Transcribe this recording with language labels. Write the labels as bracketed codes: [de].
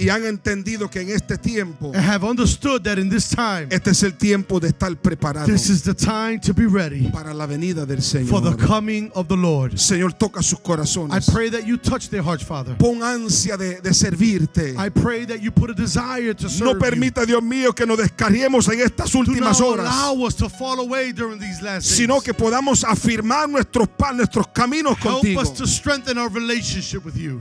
[es] Y han entendido que en este tiempo. [en] And have understood that in this time. [es] Este es el tiempo de estar preparado. [en] This is the time to be ready [es] para la venida del Señor, [en] for the coming of the Lord. [es] Señor, toca sus corazones. [en] I pray that you touch their hearts, Father. [es] Pon ansia de servirte. [en] I pray that you put a desire to serve. [es] No permita, Dios mío, que nos descarriemos en estas últimas horas. [en] Do not allow us to fall away during these last days. [es] Sino que podamos afirmar nuestros pasos, nuestros caminos contigo. [en] Help us to strengthen our relationship with you.